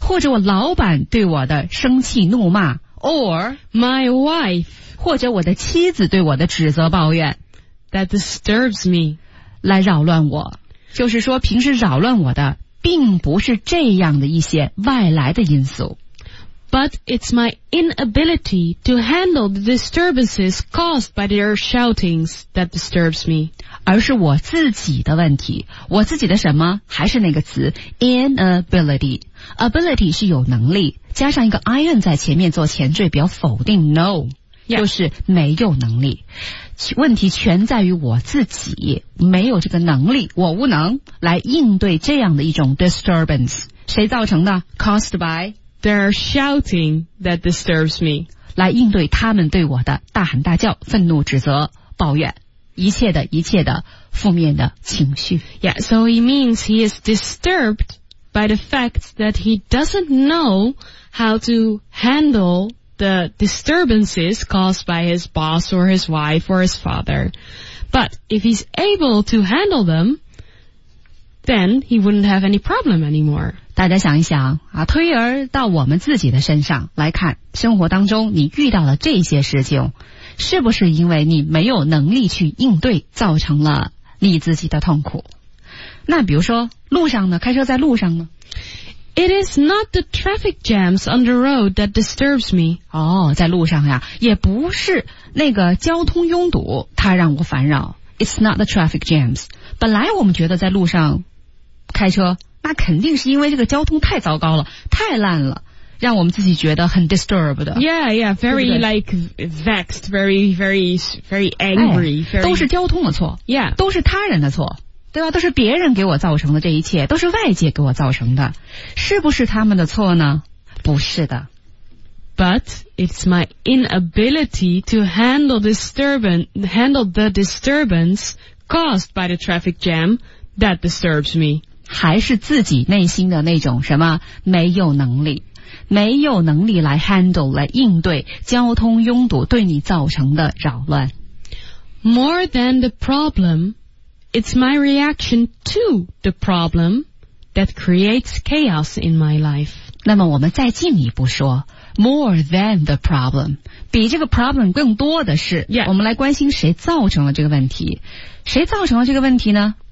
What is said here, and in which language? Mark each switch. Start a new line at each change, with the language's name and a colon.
Chinese: 或者我老板对我的生气怒骂。
English: Or my wife.
Chinese: 或者我的妻子对我的指责抱怨。
English: that disturbs me.
Chinese: 来扰乱我。就是说平时扰乱我的并不是这样的一些外来的因素。
English: But it's my inability to handle the disturbances caused by their shoutings that disturbs me.
Chinese: 而是我自己的问题。我自己的什么？还是那个词 inability. Ability 是有能力，加上一个 ion 在前面做前缀表否定 no、
English: yeah.
Chinese: 就是没有能力。问题全在于我自己，没有这个能力，我无能来应对这样的一种 disturbance。谁造成的？
English: Caused by their shouting that disturbs me，
Chinese: 来应对他们对我的大喊大叫、愤怒、指责、抱怨，一切的一切的负面的情绪。
English: Yeah, so he means he is disturbed by the fact that he doesn't know how to handle the disturbances caused by his boss or his wife or his father. But if he's able to handle them, then he wouldn't have any problem anymore.
Chinese: 大家想一想啊，推而到我们自己的身上来看，生活当中你遇到了这些事情，是不是因为你没有能力去应对造成了你自己的痛苦？那比如说路上呢，开车在路上呢？
English: It is not the traffic jams on the road that disturbs me.
Chinese: 哦，在路上呀，也不是那个交通拥堵它让我烦扰。
English: It's not the traffic jams.
Chinese: 本来我们觉得在路上开车那肯定是因为这个交通太糟糕了，太烂了，让我们自己觉得很 disturbed 的。
English: Yeah, yeah, very
Chinese: 对对
English: like vexed, very, very, very angry.、哎、 very...
Chinese: 都是交通的错
English: ，Yeah，
Chinese: 都是他人的错，对吧？都是别人给我造成的这一切，都是外界给我造成的，是不是他们的错呢？不是的。
English: But it's my inability to handle the disturbance caused by the traffic jam that disturbs me.
Chinese: 还是自己内心的那种什么没有能力，没有能力来 handle 来应对交通拥堵对你造成的扰乱。
English: More than the problem, it's my reaction to the problem that creates chaos in my life.
Chinese: 那么我们再进一步说 ，
English: more than the problem，
Chinese: 比这个 problem 更多的是，
English: yeah.
Chinese: 我们来关心谁造成了这个问题，谁造成了这个问题呢？